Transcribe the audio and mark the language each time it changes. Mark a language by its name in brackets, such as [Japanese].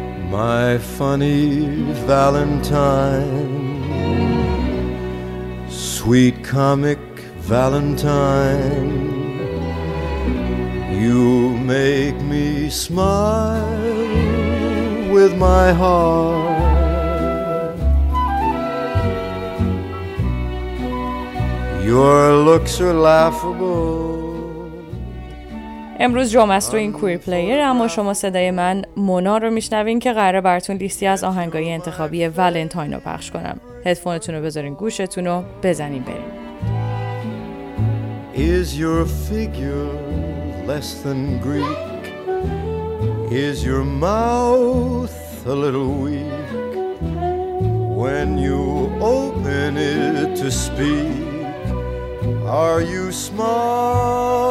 [English] my funny Valentine, sweet comic Valentine, you make me smile with my heart. Your looks are laughable. [Persian] امروز جمعه است و این کویر پلیر، اما شما صدای من مونا رو میشنوین که قراره براتون لیستی از آهنگای انتخابی ولنتاین رو پخش کنم. هدفونتون رو بذارین گوشتون رو بزنین بریم. [English] Is your figure less than Greek? Is your mouth a little weak? When you open it to speak, are you smart?